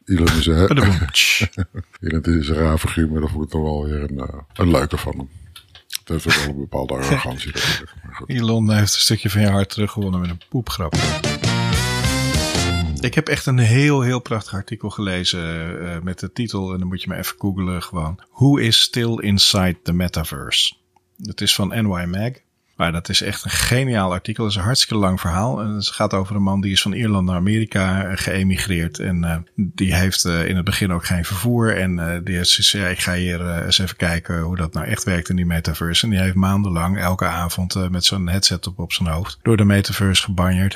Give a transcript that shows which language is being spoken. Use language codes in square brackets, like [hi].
[nl] Elon is Elon is een raar figuur, maar dan voel ik toch wel weer een leuke van hem. Het heeft wel een bepaalde arrogantie. Elon heeft een stukje van je hart teruggewonnen met een poepgrap. Ik heb echt een heel, heel prachtig artikel gelezen met de titel, en dan moet je me even googlen gewoon. [en] Who is still inside the metaverse? [nl] Het is van NY Mag. Maar dat is echt een geniaal artikel. Dat is een hartstikke lang verhaal. En het gaat over een man die is van Ierland naar Amerika geëmigreerd. En die heeft in het begin ook geen vervoer. En die heeft gezegd, ja, ik ga hier eens even kijken hoe dat nou echt werkt in die metaverse. En die heeft maandenlang elke avond met zo'n headset op zijn hoofd door de metaverse gebanjerd.